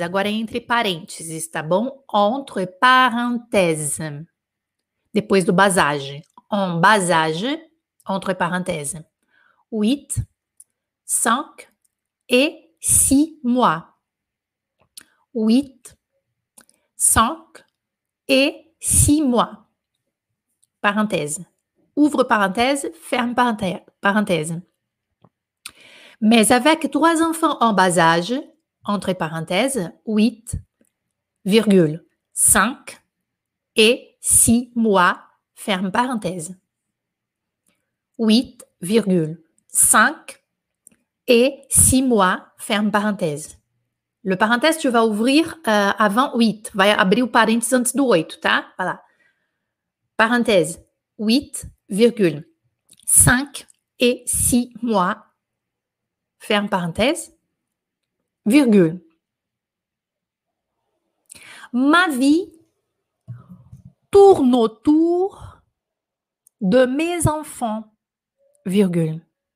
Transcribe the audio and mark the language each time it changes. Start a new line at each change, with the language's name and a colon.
Portuguese: Agora é entre parênteses, tá bom? Entre parênteses. Depois do bas âge.
French: En bas âge, entre parenthèses, 8, 5 et 6 mois. 8, 5 et 6 mois. Parenthèse. Ouvre parenthèse, ferme parenthèse. Mais avec 3 enfants en bas âge, entre parenthèses, 8, virgule, 5 et 6 mois, ferme parenthèse. 8, virgule, 5 et 6 mois, ferme parenthèse. Le parenthèse, tu vas ouvrir avant 8.
Portuguese: Vai abrir o parênteses antes do 8, tá?
French: Voilà. Parenthèse. 8, virgule, 5 et 6 mois, ferme parenthèse, virgule. Ma vie tourne autour de mes enfants, virgule.